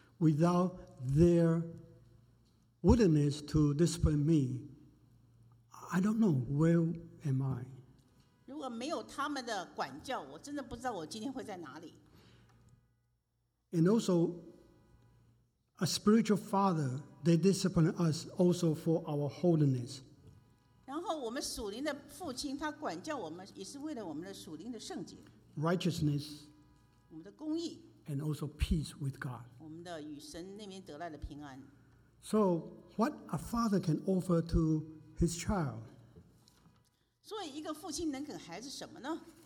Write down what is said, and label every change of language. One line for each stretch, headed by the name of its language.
English: Without their willingness to discipline me, I don't know where am I.
Chinese: 如果没有他们的管教, 我真的不知道我今天会在哪里。
English: And also, a spiritual father, they discipline us also for our holiness.
Chinese: 然后我们属灵的父亲, 他管教我们, 也是为了我们的属灵的圣洁。
English: Righteousness.
Chinese: 我们的公义。
English: And also peace with God.
Chinese: 我们的与神那边得来的平安。
English: So, what a father can offer to his child?
Chinese: 所以一个父亲能给孩子什么呢?